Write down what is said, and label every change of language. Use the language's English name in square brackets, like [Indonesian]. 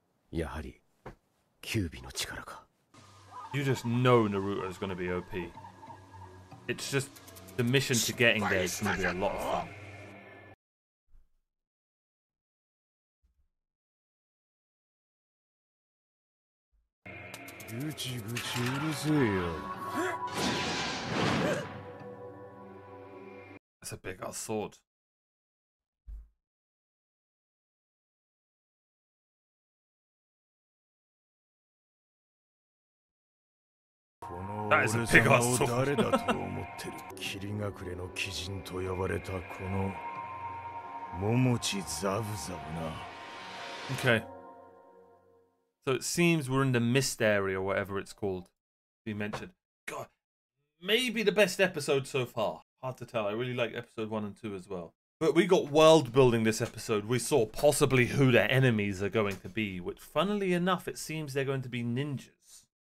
[Japanese] やはり、キュービの力か。 [English] You just know Naruto is going to be OP. It's just the mission to getting there is going to be a lot of fun. [Japanese] ぐちぐちうるせえよ。 [English] That's a big ass sword. That is a big ass sword. [Japanese] 誰だと思ってる。霧隠れの鬼人と呼ばれたこの桃地ザブザブな。 [English] Okay. So it seems we're in the mist area, whatever it's called. We mentioned. God, maybe the best episode so far. Hard to tell. I really like episode 1 and 2 as well. But we got world building this episode. We saw possibly who their enemies are going to be, which funnily enough, it seems they're going to be ninjas.